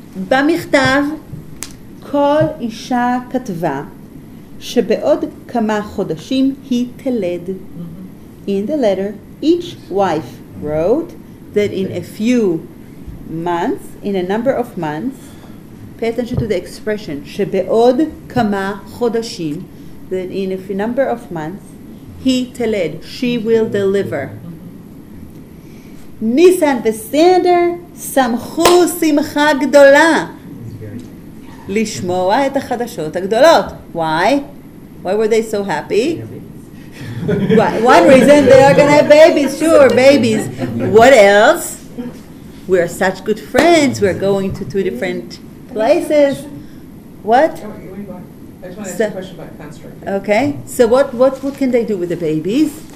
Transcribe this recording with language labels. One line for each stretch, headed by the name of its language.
Hebrew: במכתב, כל אישה כתבה שבעוד כמה חודשים היא תלד.
English: In the letter, each wife wrote that in a few months, in a number of months, pay attention to the expression,
Hebrew: שבעוד כמה חודשים,
English: that in a few number of months,
Hebrew: היא תלד,
English: she will deliver.
Hebrew: ניסן וסנדר שמחו שמחה גדולה לשמוע את החדשות הגדולות.
English: Why? Why were they so happy? One reason, they are going to have babies. Sure, babies. What else? We are such good friends. We are going to two different places. What? I just want to ask a question about construct. Okay. So what can they do with the babies?